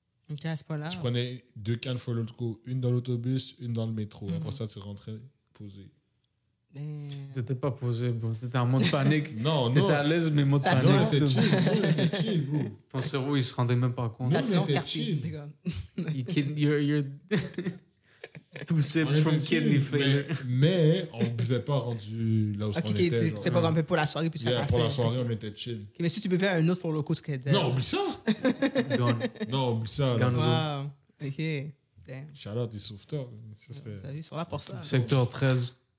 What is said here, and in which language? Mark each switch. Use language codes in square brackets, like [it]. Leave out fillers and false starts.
[fr] OK, à ce point-là. Tu prenais deux cannes Four Loko, une dans l'autobus, une dans le métro. Mm-hmm. Après ça, tu rentrais posé. Tu n'étais pas posé, bro. Tu étais en mode panique. Non. Tu étais à l'aise, mais mode panique. C'était chill, bro. Chill, ton cerveau, il ne se rendait même pas compte. Nous, on était chill. [en] You kid, you're two sips from kidney failure. [fr] Mais on ne buvait pas rendu là où on était. C'était pas grand-père pour la soirée, puis ça passait. Pour la soirée, on était chill. Okay, mais si tu buvais un autre pour le coup, ce qu'il était... Non, oublie ça. [en] Gone. [fr] Non, oublie ça. [en] Gone. Wow. OK. Damn. [fr] Shout-out des sauveteurs. Ça, c'était... T'as vu, sur la pour ça. Secteur 13.